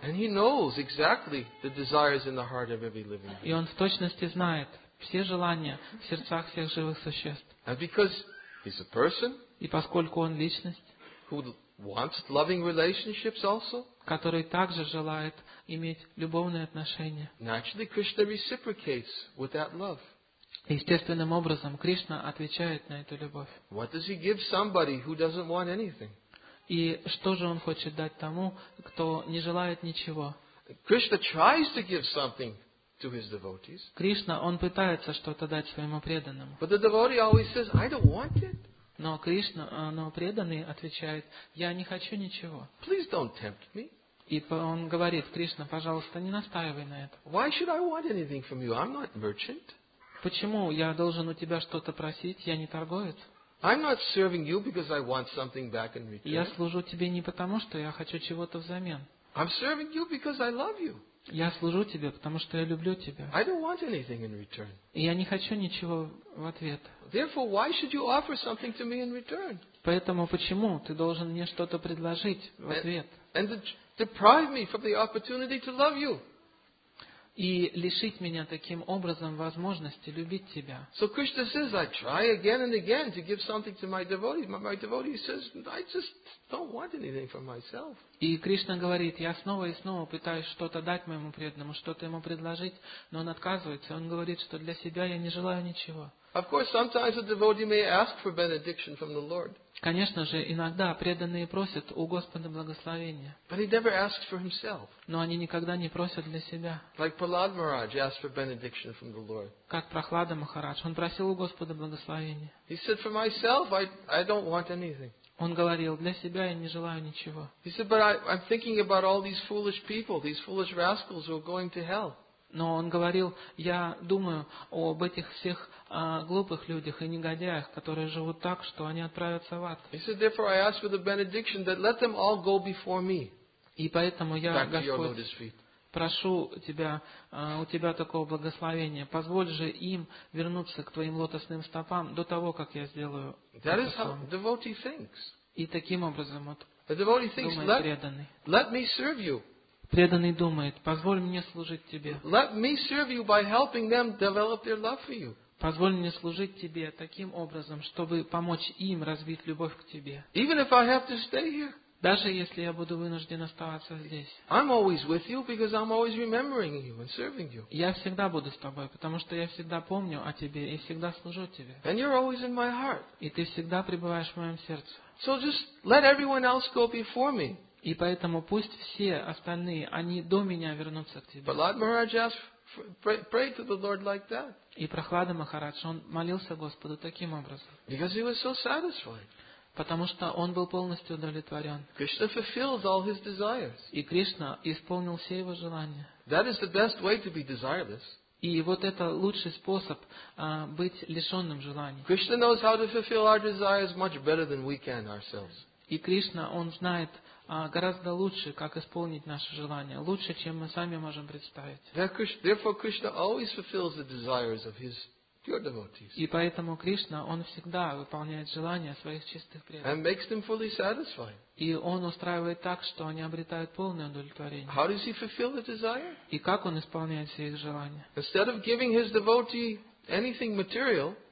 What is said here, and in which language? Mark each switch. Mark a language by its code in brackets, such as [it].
[en] and he knows exactly the desires in the heart of every living being. [ru] И он в точности знает все желания в сердцах всех живых существ. [en] And because he's a person, [ru] и поскольку он личность, [en] who wants loving relationships also, [ru] который также желает иметь любовные отношения. [en] Naturally, Krishna reciprocates with that love. [ru] Естественным образом Кришна отвечает на эту любовь. [en] What does he give somebody who doesn't want anything? [ru] И что же он хочет дать тому, кто не желает ничего? [en] Krishna tries to give something to his devotees. [ru] Кришна, он пытается что-то дать своему преданному. [en] But the devotee always says, I don't want it. [ru] Но Кришна, но преданный отвечает, я не хочу ничего. [en] Please don't tempt me. [ru] И он говорит, Кришна, пожалуйста, не настаивай на этом. [en] Why should I want anything from you? I'm not merchant. [ru] Почему я должен у тебя что-то просить? Я не торговец. [en] I'm not serving you because I want something back in return. [ru] Я служу тебе не потому, что я хочу чего-то взамен. [en] I'm serving you because I love you. [ru] Я служу тебе, потому что я люблю тебя. [en] I don't want anything in return. [ru] И я не хочу ничего в ответ. [en] Therefore, why should you offer something to me in return? [ru] Поэтому почему ты должен мне что-то предложить в ответ? [en] And deprive me from the opportunity to love you. [ru] И лишить меня таким образом возможности любить тебя. [en] So Krishna says, I try again and again to give something to my devotee. My devotee says, I just don't want anything for myself. [ru] И Кришна говорит, я снова и снова пытаюсь что-то дать моему преданному, что-то ему предложить, но он отказывается. Он говорит, что для себя я не желаю ничего. [en] Of course, sometimes a devotee may ask for benediction from the Lord. [ru] Конечно же, иногда преданные просят у Господа благословения. [en] But he never asks for himself. [ru] Но они никогда не просят для себя. [en] Like Prahlad Maharaj asked for benediction from the Lord. [ru] Как Прохлада Махарадж, он просил у Господа благословения. [en] He said, for myself, I don't want anything. [ru] Он говорил, для себя я не желаю ничего. [en] He said, but I'm thinking about all these foolish people, these foolish rascals who are going to hell. [ru] Но он говорил, я думаю об этих всех глупых людях и негодяях, которые живут так, что они отправятся в ад. [en] He said, therefore I ask for the benediction that let them all go before me. [ru] И поэтому я, Господь, прошу тебя, у тебя такого благословения. Позволь же им вернуться к твоим лотосным стопам до того, как я сделаю [en] that is how the devotee thinks. [ru] И таким образом вот думает преданный. [en] Let me serve you. [ru] Преданный думает, позволь мне служить тебе. [en] Let me serve you by helping them develop their love for you. [ru] Позволь мне служить тебе таким образом, чтобы помочь им развить любовь к тебе. [en] Even if I have to stay here. [ru] Даже если я буду вынужден оставаться здесь. [en] I'm always with you because I'm always remembering you and serving you. [ru] Я всегда буду с тобой, потому что я всегда помню о тебе и всегда служу тебе. [en] And you're always in my heart. [ru] И ты всегда пребываешь в моем сердце. [en] So just let everyone else go before me. [ru] И поэтому пусть все остальные, они до меня вернутся к тебе. [en] Prahlad Maharaj prayed to the Lord like that. [ru] И Прохлада Махарадж, он молился Господу таким образом. [en] Because he was so satisfied. [ru] Потому что он был полностью удовлетворен. [en] Krishna fulfilled all his desires. [ru] И Кришна исполнил все его желания. [en] That is the best way to be desireless. [ru] И вот это лучший способ быть лишенным желаний. [en] Krishna knows how to fulfill our desires much better than we can ourselves. [ru] И Кришна, он знает гораздо лучше, как исполнить наши желания, лучше, чем мы сами можем представить. [en] Therefore, Krishna always fulfills the desires of his pure devotees. [ru] И поэтому Кришна, он всегда выполняет желания своих чистых преданных. [en] And makes them fully satisfied. [ru] И он устраивает так, что они обретают полное удовлетворение. [en] How does he fulfill the desire? [ru] И как он исполняет все их желания? [en] Instead of giving his devotee anything material.